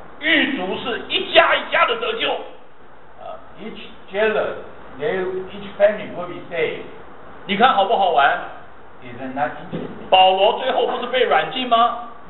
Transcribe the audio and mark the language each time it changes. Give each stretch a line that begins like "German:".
Chinese: 狱卒是一家一家的得救。
English: Each jailer, each family will be saved.
Chinese: 你看好不好玩？
English: Isn't that interesting?
Chinese: 保罗最后不是被软禁吗？